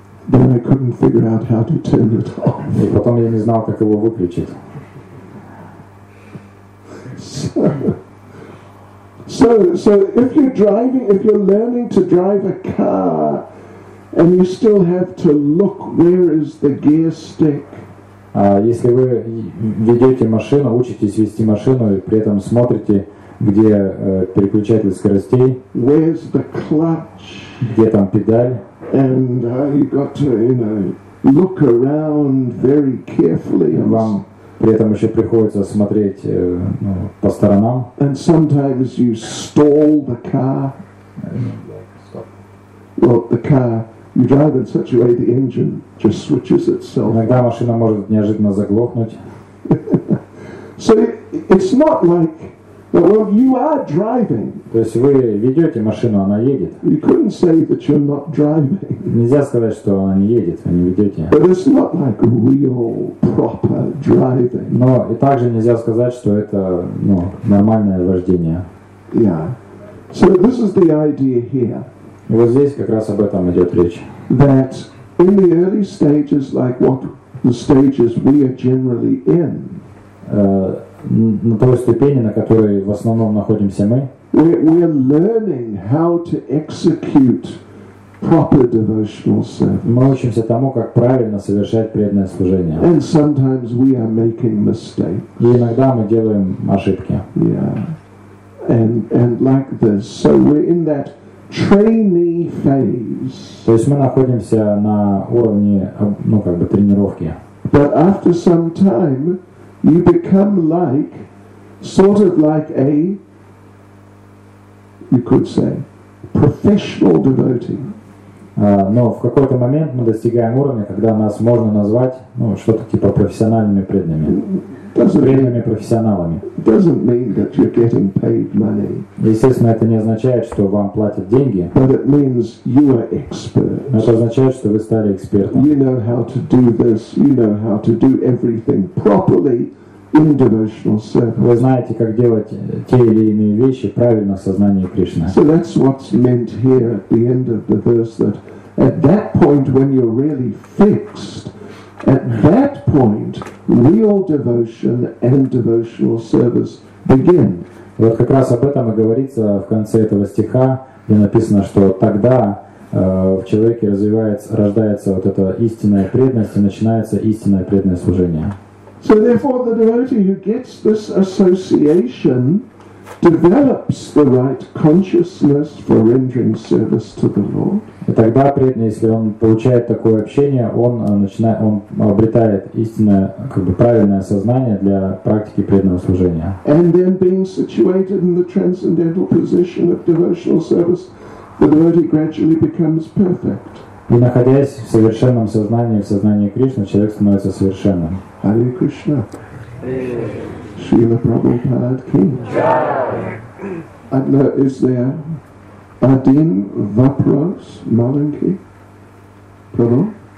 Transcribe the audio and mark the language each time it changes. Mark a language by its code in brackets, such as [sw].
[en] Then I couldn't figure out how to turn it off. [ru] И потом я не знал, как его выключить. [en] So if you're driving, if you're learning to drive a car, and you still have to look where is the gear stick. [ru] Если вы ведете машину, учитесь вести машину, и при этом смотрите, где переключатель скоростей. [en] Where's the clutch? [ru] Где там педаль? [en] And you got to, you know, look around very carefully. [ru] Вам при этом еще приходится смотреть по сторонам. [en] And sometimes you stall the car. Well, the car, you drive in such a way the engine just switches itself. [ru] Иногда машина может неожиданно заглохнуть. [en] So it's not like, well, you are driving. [ru] То есть вы ведете машину, она едет. [en] You couldn't say that you're not driving. [ru] Нельзя сказать, что она не едет, вы не ведете. [en] But it's not like real proper driving. [ru] Но и также нельзя сказать, что это, ну, нормальное вождение. [en] Yeah. So this is the idea here. [ru] И вот здесь как раз об этом идет речь. [en] That in the early stages, like what the stages we are generally in. [ru] На той ступени, на которой в основном находимся мы. [en] We're learning how to execute proper devotional service. [ru] Мы учимся тому, как правильно совершать преданное служение. [en] And sometimes we are making mistakes. [ru] И иногда мы делаем ошибки. [en] Yeah. And like this, so we're in that trainee phase. [ru] То есть мы находимся на уровне, ну, как бы тренировки. [en] But after some time, you become like, sort of like a, you could say, professional devotee. [ru] Но в какой-то момент мы достигаем уровня, когда нас можно назвать, ну, что-то типа профессиональными преданными. Преданными профессионалами. [en] Doesn't mean that you're getting paid money. [ru] Естественно, это не означает, что вам платят деньги. [en] But it means you are expert. [ru] Это означает, что вы стали экспертом. [en] You know how to do this. You know how to do everything properly in devotional service. [ru] Вы знаете, как делать те или иные вещи правильно в сознании Кришны. [en] So that's what's meant here at the end of the verse, that at that point when you're really fixed. At that point, real devotion and devotional service begin. [ru] Вот как раз об этом и говорится в конце этого стиха, где написано, что тогда в человеке рождается вот эта истинная преданность и начинается истинное преданное служение. [en] So therefore, the devotee who gets this association develops the right consciousness for rendering service to the Lord. [ru] И тогда преданный, если он получает такое общение, он начинает, он обретает истинное, как бы правильное сознание для практики преданного служения. [en] And then being situated in the transcendental position of devotional service, the devotee gradually becomes perfect. [ru] И находясь в совершенном сознании, в сознании Кришны, человек становится совершенным. Hare Krishna. Srila Prabhupada ki. Adna, is there Adin Vapros Malinki? Prabhu?